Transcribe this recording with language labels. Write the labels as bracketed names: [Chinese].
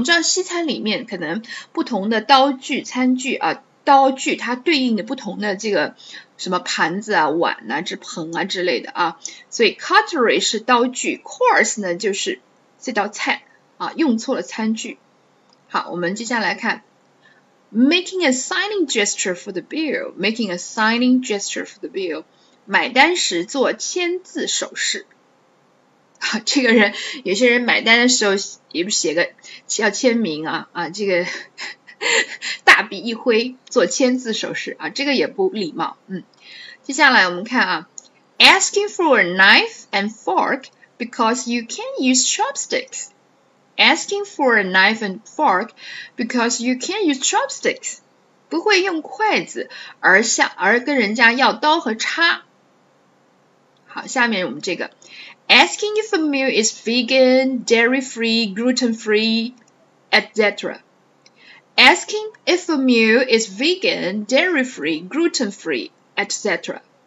[Chinese] 我们知道西餐里面可能不同的刀具餐具啊，刀具它对应的不同的这个什么盘子啊碗啊这盆啊之类的啊，所以 cutlery 是刀具 course 呢就是这道菜啊，用错了餐具好我们接下来看 [English] Making a signing gesture for the bill. [Chinese] 买单时做签字手势。啊、这个人有些人买单的时候也不写个要签名啊啊这个大笔一挥做签字手势啊这个也不礼貌。接下来我们看啊 [English] ,asking for a knife and fork because you can't use chopsticks. Asking for a knife and fork because you can't use chopsticks. [Chinese] 不会用筷子而跟人家要刀和叉。好下面我们这个。 [English] Asking if a meal is vegan, dairy-free, gluten-free, etc. Asking if a meal is vegan, dairy-free, gluten-free, etc.